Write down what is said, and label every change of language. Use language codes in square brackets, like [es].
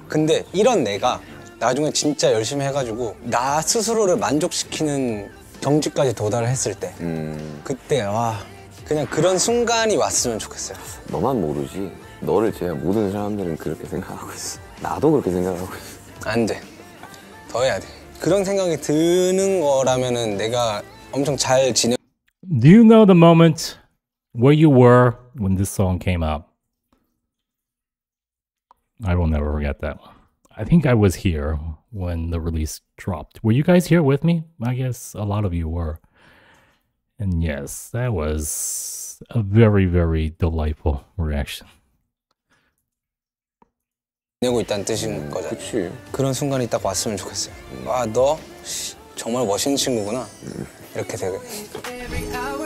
[ko] 근데 이런 내가 나중에 진짜 열심히 해가지고 나 스스로를 만족시키는 경지까지 도달을 했을 때 그때 와 그냥 그런 순간이 왔으면 좋겠어요. 너만 모르지. 너를 제외한 모든 사람들은 그렇게 생각하고 있어. 나도 그렇게 생각하고 있어. 안 돼. 더 해야 돼. 그런 생각이 드는 거라면은 내가 엄청 잘 지내. [en] Do you know the moment where you were when this song came up? I will never forget that. I think I was here when the release dropped. Were you guys here with me? I guess a lot of you were. And yes, that was a very, very delightful reaction. [ko] 내고 있다는 뜻인 거죠. 그치. 그런 순간이 딱 왔으면 좋겠어요. 아, 너 정말 멋있는 친구구나. 이렇게 되게.